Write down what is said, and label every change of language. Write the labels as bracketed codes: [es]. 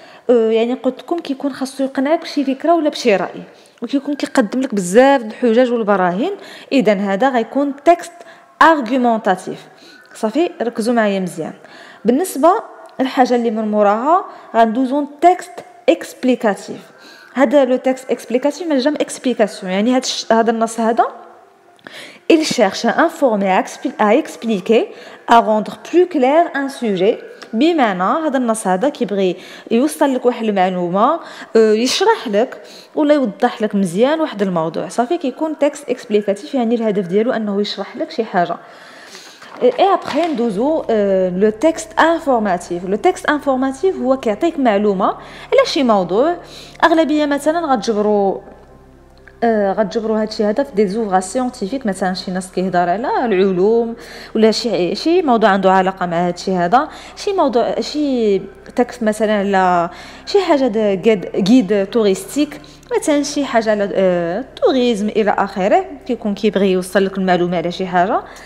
[ar] يعني قلت لكم كيكون خاصو يقنعك بشي فكره ولا بشي راي، وكيكون كيقدم لك بزاف د الحجج والبراهين، اذا هذا غيكون [fr] تكست ارغومونطاتيف. [ar] صافي، ركزوا معايا مزيان. بالنسبه الحاجه اللي من موراها غندوزو [fr] تكست اكسبليكاتيف. [ar] هذا [fr] لو تكست اكسبليكاتيف من جام اكسبليكاسيون، [ar] يعني هذا النص هذا [fr] il cherche à informer à expliquer à rendre plus clair un sujet. [ar] بمعنى هذا النص هذا كيبغي يوصل لك واحد المعلومه، يشرح لك ولا يوضح لك مزيان واحد الموضوع. صافي، كيكون [fr] تكست اكسبليكاتيف، [ar] يعني الهدف ديالو انه يشرح لك شي حاجه. [fr] Et après, nous avons le texte informatif. Le texte informatif, [ar] هو كيعطيك معلومة على شي موضوع. أغلبية مثلا غتجبرو هادشي هذا في [fr] دي زوفغا سيونتيفيك، [ar] مثلا شي ناس كيهضر على العلوم ولا شي موضوع عنده علاقة مع هادشي هذا، شي موضوع شي تكست مثلا على شي حاجة [fr] غيد توريستيك، [ar] مثلا شي حاجة على التوريزم إلى آخره، كيكون كيبغي يوصل لك المعلومة على شي حاجة.